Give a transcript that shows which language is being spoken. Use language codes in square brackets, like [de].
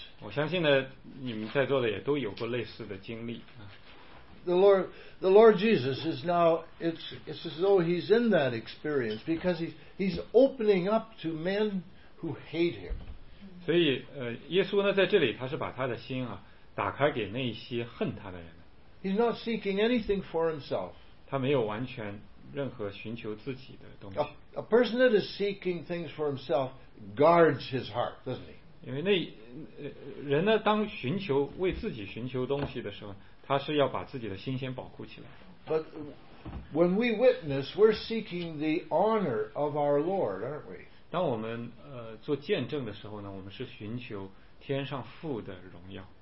[zh] 我相信呢，你们在座的也都有过类似的经历啊。 [en] The Lord Jesus is now, it's as though he's in that experience because he's opening up to men who hate him. [zh] 所以耶稣呢，在这里他是把他的心啊打开给那些恨他的人。 [en] He's not seeking anything for himself. [zh] 他没有完全任何寻求自己的东西。 [en] A person that is seeking things for himself guards his heart, doesn't he? [zh] 因为那人呢，当寻求为自己寻求东西的时候，他是要把自己的心先保护起来。 [en] But when we witness, we're seeking the honor of our Lord, aren't we? [zh] 当我们做见证的时候呢，我们是寻求天上父的荣耀。